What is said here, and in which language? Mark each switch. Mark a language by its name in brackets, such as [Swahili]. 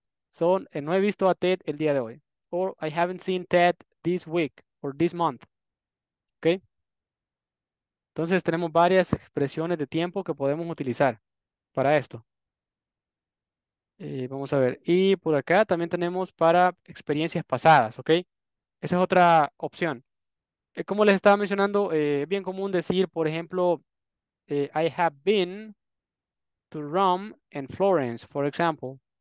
[Spanish] So, no he visto a Ted el día de hoy. [English] Or I haven't seen Ted this week or this month. Okay. [Spanish] Entonces tenemos varias expresiones de tiempo que podemos utilizar para esto. Vamos a ver, y por acá también tenemos para experiencias pasadas, ¿ok? Esa es otra opción. Como les estaba mencionando, es bien común decir, por ejemplo, [English] I have been to Rome and Florence, for example.